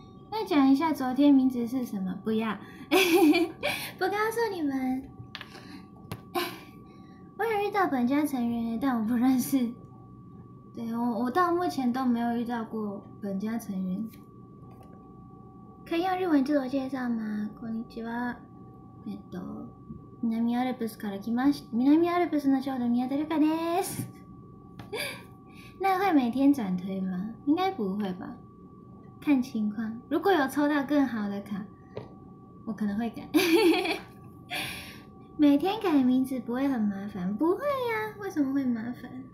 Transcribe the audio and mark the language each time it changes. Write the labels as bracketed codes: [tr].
[zh] 再讲一下昨天名字是什么？不要，不告诉你们。我有遇到本家成员，但我不认识。对，我到目前都没有遇到过本家成员。可以用日文自我介绍吗？ [ja] こんにちは。南アルプスから来ました。南アルプスの少女宮田瑠香です。 [zh] 那会每天转推吗？应该不会吧。看情况，如果有抽到更好的卡，我可能会改。每天改名字不会很麻烦？不会呀，为什么会麻烦？